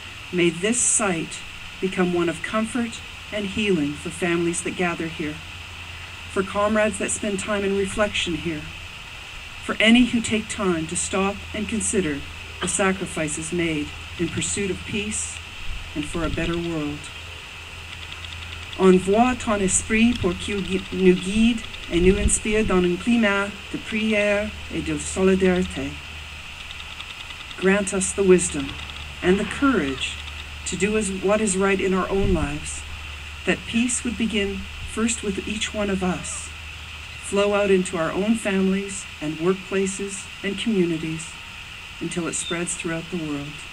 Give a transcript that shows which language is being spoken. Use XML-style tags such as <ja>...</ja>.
<en>May this site become one of comfort and healing for families that gather here, for comrades that spend time in reflection here, for any who take time to stop and consider the sacrifices made in pursuit of peace and for a better world.</en> <fr>Envoie ton esprit pour qu'il nous guide et nous inspire dans un climat de prière et de solidarité.</fr> <en>Grant us the wisdom and the courage to do as what is right in our own lives, that peace would begin first with each one of us, flow out into our own families and workplaces and communities until it spreads throughout the world.</en>